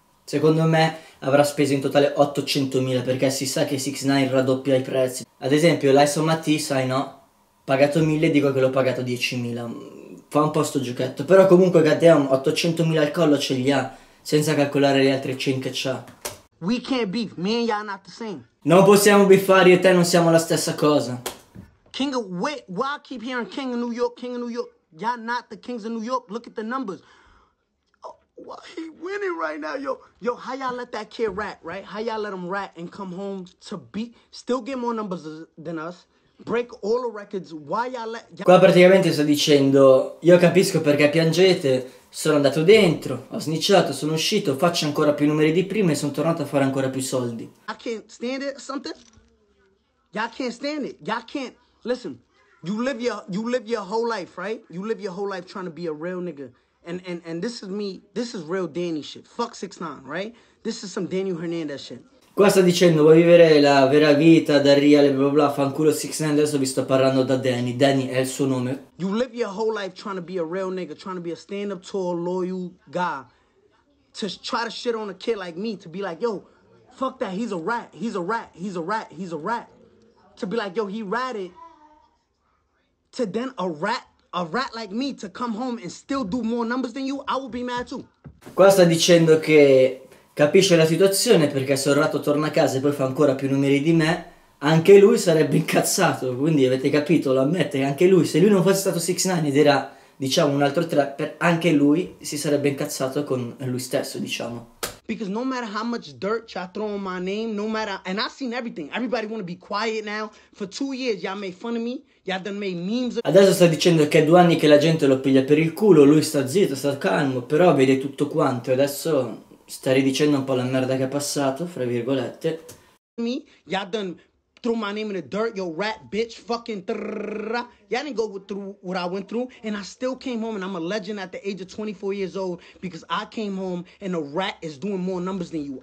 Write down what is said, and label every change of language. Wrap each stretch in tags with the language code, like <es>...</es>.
<it>Secondo me avrà speso in totale 800,000, perché si sa che 6ix9ine raddoppia i prezzi. Ad esempio, l'Ison Matty, sai no? Pagato 1000, dico che l'ho pagato 10,000. Fa un po' sto giochetto. Però comunque, goddamn, 800,000 al collo ce li ha, senza calcolare le altre 5 che c'ha.</it> <en>We can't beef, me and y'all not the same.</en> <it>Non possiamo beefare, io e te non siamo la stessa cosa.</it> <en>King of, wait, why I keep hearing King of New York, King of New York? Y'all not the Kings of New York, look at the numbers. Why he winning right now, yo? Yo, how y'all let that kid rat, right? How y'all let him rat and come home to beat, still get more numbers than us, break all the records, why y'all let...</en> <it>Qua praticamente sta dicendo, io capisco perché piangete, sono andato dentro, ho snicciato, sono uscito, faccio ancora più numeri di prima e sono tornato a fare ancora più soldi.</it> <en>I can't stand it or something? Y'all can't stand it, y'all can't... Listen, you live your whole life, right? You live your whole life trying to be a real nigga. And this is me, this is real Danny shit. Fuck 6ix9ine, right? This is some Daniel Hernandez shit.</en> <it>Qua sta dicendo, vuoi vivere la vera vita da real e bla bla, fanculo 6ix9ine, adesso vi sto parlando da Danny. Danny è il suo nome.</it> <en>You live your whole life trying to be a real nigga, trying to be a stand-up tall, loyal guy. To try to shit on a kid like me, to be like, yo, fuck that, he's a rat, he's a rat, he's a rat, he's a rat. To be like, yo, he ratted. To then a rat. A rat like me to come home and still do more numbers than you, I would be mad too.</en> <it>Qua sta dicendo che capisce la situazione perché se un ratto torna a casa e poi fa ancora più numeri di me, anche lui sarebbe incazzato. Quindi avete capito, lo ammette, anche lui, se lui non fosse stato 6ix9ine ed era, diciamo, un altro trapper, anche lui si sarebbe incazzato con lui stesso, diciamo.</it> <en>Because no matter how much dirt y'all throw on my name, no matter, and I've seen everything. Everybody wanna be quiet now. For 2 years y'all made fun of me. Y'all done made memes.</en> <it>Adesso sta dicendo che è 2 anni che la gente lo piglia per il culo. Lui sta zitto, sta calmo. Però vede tutto quanto. Adesso sta ridicendo un po' la merda che è passato, fra virgolette.</it> <en>Me, y'all done threw my name in the dirt. Yo, rat bitch, fucking trrrra. Y'all didn't go through what I went through, and I still came home, and I'm a legend at the age of 24 years old because I came home, and a rat is doing more numbers than you.</en>